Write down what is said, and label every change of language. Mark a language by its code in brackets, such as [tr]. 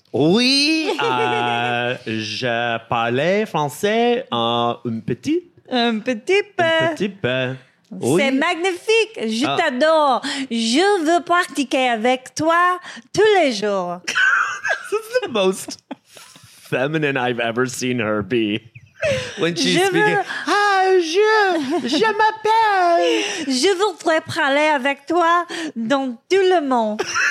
[fr] Oui, je parlais français en un petit peu. Oui. C'est magnifique. Je t'adore. Je veux pratiquer avec toi tous les jours. [en] This is the most feminine I've ever seen her be. When she's speaking, [fr] je m'appelle. Je voudrais parler avec toi dans tout le monde.